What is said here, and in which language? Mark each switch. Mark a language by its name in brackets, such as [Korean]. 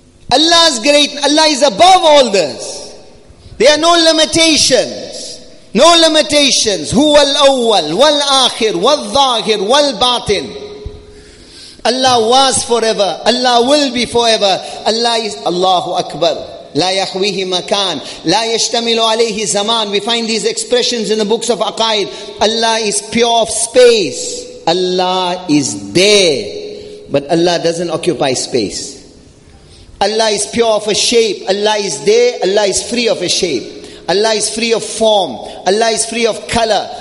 [English] Allah's great. Allah is above all this. There are no limitations. No limitations. Hu al awwal, wal akhir, wal zahir, wal batin. Allah was forever. Allah will be forever. Allah is Allahu Akbar. [Arabic] لا يحويه مكان لا يشتمل عليه زمان. [English] We find these expressions in the books of Aqaid. Allah is pure of space. Allah is there, but Allah doesn't occupy space. Allah is pure of a shape. Allah is there. Allah is free of a shape. Allah is free of form. Allah is free of color.